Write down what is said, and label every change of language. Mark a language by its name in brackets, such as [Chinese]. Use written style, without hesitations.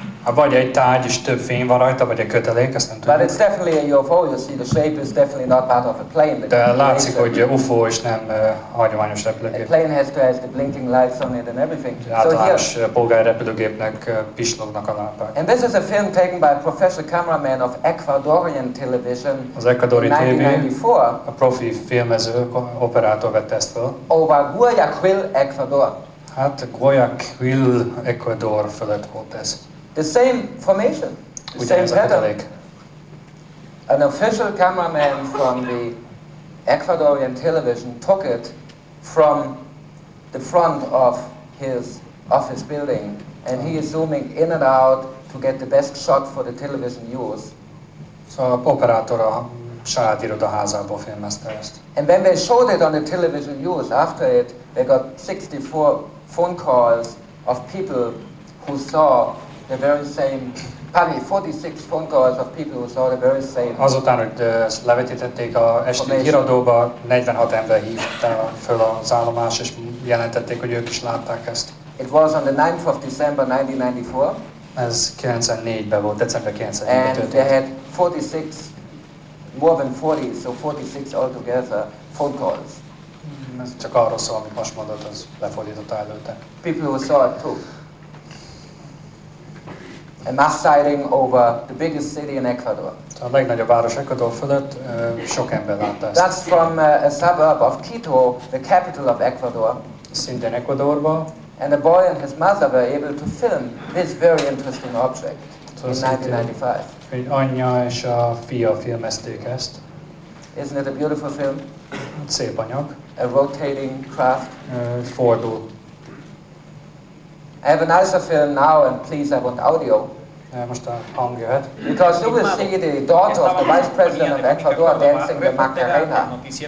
[Hungarian] Ha vagy egy tárgy és több fény van rajta, vagy egy kötelék, ezt nem tudom. [English] But it's definitely a UFO, you see, the shape is definitely not part of a plane. [Hungarian] De látszik, hogy UFO és nem hagyományos repülőgép. [English] A plane has to have the blinking lights on it and everything. [Hungarian] Általános polgári repülőgépnek pislognak a lámpák. [English] And this is a film taken by a professional cameraman of Ecuadorian television. [Hungarian] Az ecuadori tévé, a profi filmező operátor vette ezt fel. [English] Over Guayaquil, Ecuador. [Hungarian] Hát Guayaquil, Ecuador felett volt ez. [English] The same formation, the [Hungarian] ugyan [English] same pattern. An official cameraman from the Ecuadorian television took it from the front of his office building, and he is zooming in and out to get the best shot for the television news. [Hungarian] So operator a saját irodaházából filmezte ezt. [English] And when they showed it on the television news after it, they got 64 phone calls of people who saw the very same, probably 46 phone calls of people who saw the very same. [Hungarian] Azután, hogy ezt levetítették a esti híradóba, 46 ember hívta föl az állomás, és jelentették, hogy ők is látták ezt. [English] It was on the 9th of December 1994. [Hungarian] Ez 94-ben volt, december 94-ben történt. [English] And they had 46, more than 40, so 46 altogether phone calls. [Hungarian] Ez csak arról szól, amit most mondott, az lefordított előtte. [English] People who saw it too. A mass sighting over the biggest city in Ecuador. [Hungarian] A legnagyobb város Ecuador fölött sok ember látta ezt. [English] That's from a suburb of Quito, the capital of Ecuador. [Hungarian] Szintén Ecuadorban. [English] And a boy and his mother were able to film this very interesting object in 1995. [Hungarian] Anya és a fia filmezték ezt. [English] Isn't it a beautiful film? [Hungarian] Szép anyag. [English] A rotating craft. [Hungarian] Fordul. [English] I have a nicer film now, and please, I want audio. [Hungarian] Most a hang jöhet. [English] Because you will see the daughter of the vice president of Ecuador dancing the Macarena.